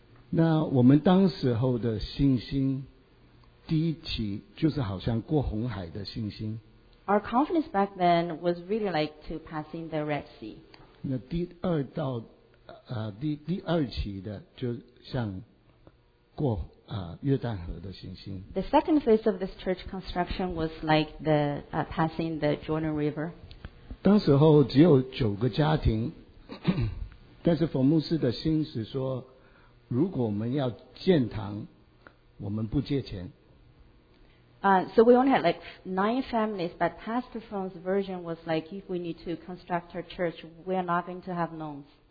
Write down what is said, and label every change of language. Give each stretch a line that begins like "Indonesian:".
Chinese: 那我们当时候的信心第一期就是好像过红海的信心。
English: Our confidence back then was really like to passing the Red Sea.
Chinese: 那第二期的就像过约旦河的信心。
English: The second phase of this church construction was like the passing the Jordan River.
Chinese: 当时候只有九个家庭，但是冯牧师的心是说，如果我们要建堂，我们不借钱。
English: So we only had like nine families, but Pastor Fong's version was like, if we need to construct our church, we are not going to have loans.